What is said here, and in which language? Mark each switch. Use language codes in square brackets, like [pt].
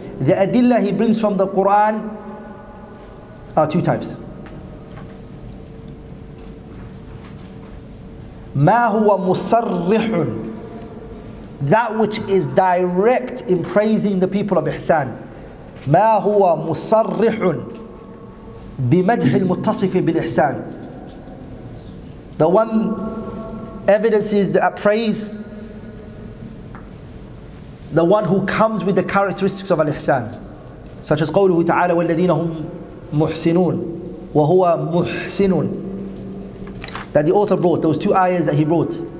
[en] The adillah he brings from the Quran are two types. [ar] ما هو مصرح, [en] that which is direct in praising the people of ihsan. [ar] ما هو مصرح بمدح المتصف بالإحسان. [en] The one evidence is that praise the one who comes with the characteristics of al-ihsan, such as [ar] قوله تعالى والذين هم محسنون وهو محسنون. [en] That the author brought, those two ayahs that he brought.